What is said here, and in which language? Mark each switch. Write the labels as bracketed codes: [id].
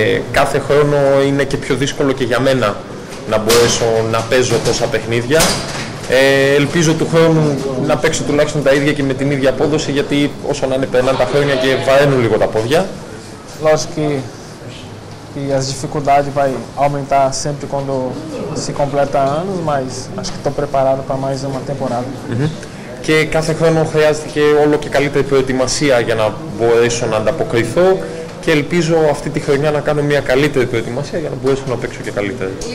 [el] Κάθε χρόνο είναι και πιο δύσκολο και για μένα να μπορέσω να παίζω τόσα παιχνίδια. Ελπίζω του χρόνου να παίξω τουλάχιστον τα ίδια και με την ίδια απόδοση, γιατί όσο να είναι περνάνε τα χρόνια και βαραίνουν λίγο τα πόδια. [pt] Lógico que as dificuldades vão aumentar sempre quando se completa anos, mas acho que estou preparado para mais uma temporada. Que cada ano precisa que o que calita de preparação para na poder [el] να ανταποκριθώ και ελπίζω αυτή τη χρονιά να κάνω μια καλύτερη προετοιμασία για να μπορέσω να παίξω και καλύτερα.